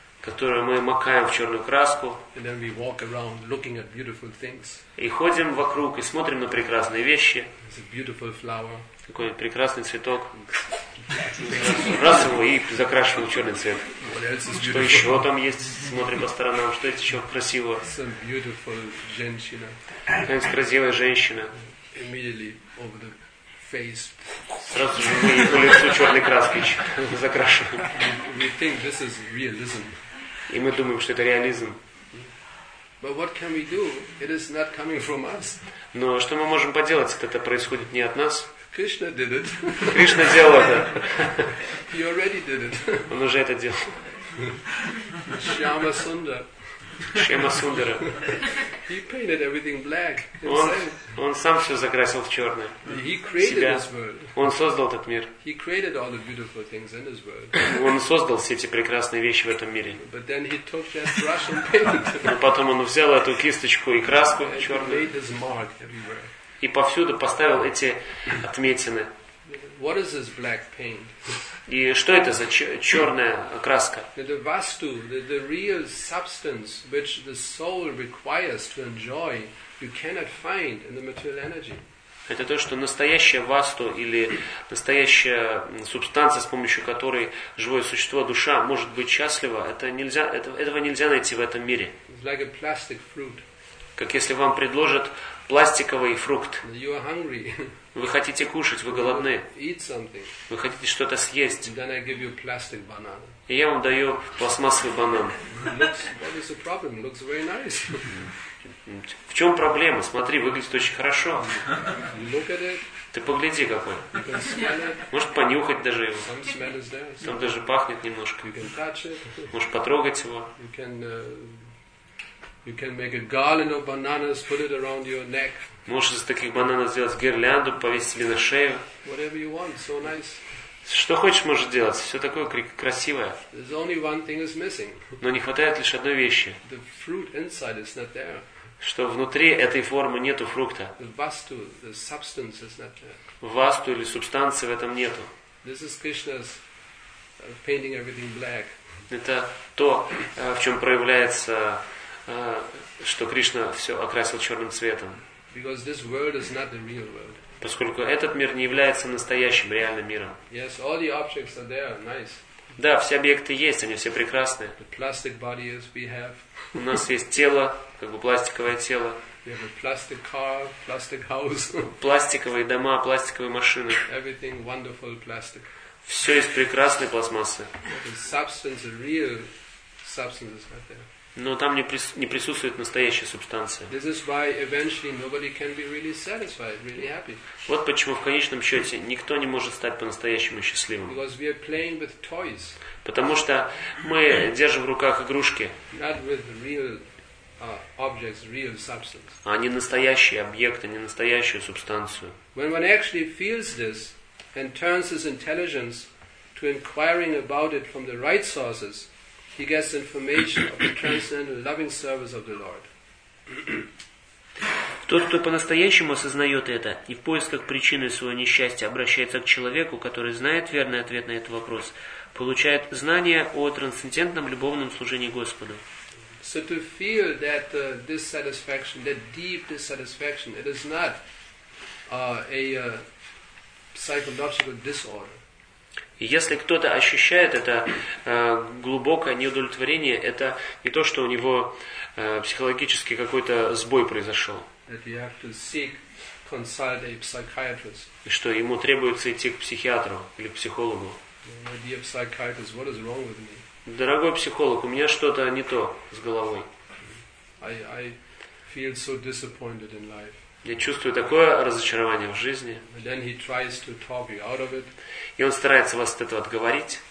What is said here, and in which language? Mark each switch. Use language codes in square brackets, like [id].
[ru] которую мы макаем в черную краску. [en] And then we walk around looking at beautiful things. [ru] И ходим вокруг и смотрим на прекрасные вещи. [en] It's a beautiful flower. [ru] Какой прекрасный цветок. Раз его и закрашиваем в черный цвет. Что еще там есть? Смотрим по сторонам. Что есть еще красивого? [en] Some beautiful [ru] женщина. Какая-нибудь красивая женщина. [en] Immediately over the face. [ru] Сразу же мы ей по лицу черной краской закрашиваем. [en] We think this is realism. [ru] И мы думаем, что это реализм. [en] But what can we do? It is not coming from us. [ru] Но что мы можем поделать? Это происходит не от нас. [en] Krishna did it. [ru] Кришна сделал это. [en] He already did it. [ru] Он уже это делал. [en] Shyama Sundar. Shyama Sundara. He painted everything black. [ru] Он сам все закрасил в черное. [en] He created this world. [ru] Он создал этот мир. [en] He created all the beautiful things in this world. [ru] Он создал все эти прекрасные вещи в этом мире. [en] But then he took that brush and painted. [ru] Но потом он взял эту кисточку и краску черную. [en] He made his mark everywhere. [ru] И повсюду поставил эти отметины. [en] What is this black paint? [ru] И что это за черная краска? [en] The vastu, the real substance which the soul requires to enjoy, you cannot find in the material energy. [ru] Это то, что настоящая васту или настоящая субстанция, с помощью которой живое существо, душа, может быть счастлива, этого нельзя найти в этом мире. [en] It's like a plastic fruit. [ru] Как если вам предложат пластиковый фрукт. [en] You are hungry. [ru] Вы хотите кушать, вы голодны. [en] Eat something. [ru] Вы хотите что-то съесть. [en] Then I give you plastic banana. [ru] И я вам даю пластмассовый банан. [en] What is the problem? Looks very nice. [ru] В чем проблема? Смотри, выглядит очень хорошо. [en] Look at it. [ru] Ты погляди какой. [en] You can smell it. [ru] Может понюхать даже его. [en] Some smell is there. [ru] Там даже пахнет немножко. [en] You can touch it. [ru] Можешь потрогать его. [en] You can, you can make a garland of bananas, put it around your neck. [ru] Можешь из таких бананов сделать гирлянду, повесить себе на шею. [en] Whatever you want, so nice. [ru] Что хочешь, можешь делать. Все такое красивое. [en] There's only one thing is missing. [ru] Но не хватает лишь одной вещи. [en] The fruit inside is not there. [ru] Что внутри этой формы нету фрукта. [en] The vastu, the substance is not there. [ru] Vastu или субстанции в этом нету. [en] This is Krishna's painting everything black. [ru] Это то, в чем проявляется, что Кришна все окрасил черным цветом. [en] Because this world is not the real world. [ru] Поскольку этот мир не является настоящим, реальным миром. [en] Yes, all the objects are there, nice. [ru] Да, все объекты есть, они все прекрасны. [en] The plastic body is we have. [ru] У нас есть тело, как бы пластиковое тело. [en] We have a plastic car, plastic house. [ru] Пластиковые дома, пластиковые машины. [en] Everything wonderful plastic. [ru] Все из прекрасной пластмассы. [en] The substance, the real substance is not there. [ru] Но там не присутствует настоящая субстанция. [en] This is why eventually nobody can be really satisfied, really happy. [ru] Вот почему в конечном счете никто не может стать по-настоящему счастливым. [en] Because we are playing with toys. [ru] Потому что мы держим в руках игрушки. [en] Not with real objects, real substance. [ru] А не настоящие объекты, не настоящую субстанцию. [en] When one actually feels this and turns his intelligence to inquiring about it from the right sources, he gets information of the transcendental loving service of the Lord. [ru] Тот, кто по-настоящему осознает это и в поисках причины своего несчастья обращается к человеку, который знает верный ответ на этот вопрос, получает знание о трансцендентном любовном служении Господу. [en] So to feel that dissatisfaction, that deep dissatisfaction, it is not a psychological disorder. [ru] И если кто-то ощущает это глубокое неудовлетворение, это не то, что у него психологически какой-то сбой произошел. [en] That you have to seek, consult a psychiatrist. [ru] И что ему требуется идти к психиатру или к психологу. [en] My dear psychiatrist, what is wrong with me? [ru] Дорогой психолог, у меня что-то не то с головой. [en] I feel so disappointed in life. [ru] Я чувствую такое разочарование в жизни. [en] Then he tries to talk you out of it. [ru] И он старается вас от этого отговорить.